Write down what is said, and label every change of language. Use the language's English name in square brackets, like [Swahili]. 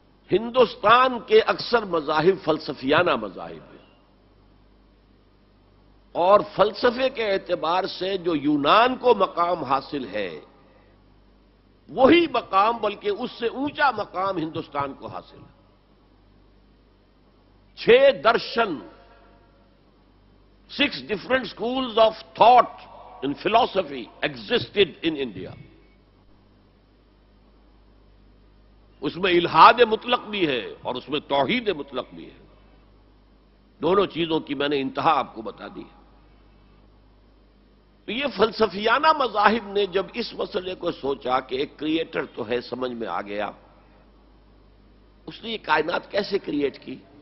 [Urdu] ہندوستان کے اکثر مذاہب فلسفیانہ مذاہب ہیں، اور فلسفے کے اعتبار سے جو یونان کو مقام حاصل ہے وہی مقام بلکہ اس سے اونچا مقام ہندوستان کو حاصل ہے. [English] 6 darshan, 6 different schools of thought in philosophy existed in India. [Urdu] اس میں الحاد مطلق بھی ہے اور اس میں توحید مطلق بھی ہے، دونوں چیزوں کی میں نے انتہا آپ کو بتا دی. تو یہ فلسفیانہ مذاہب نے جب اس مسئلے کو سوچا کہ ایک کریئٹر تو ہے، سمجھ میں آ گیا اس نے یہ کائنات کیسے کریئٹ کی.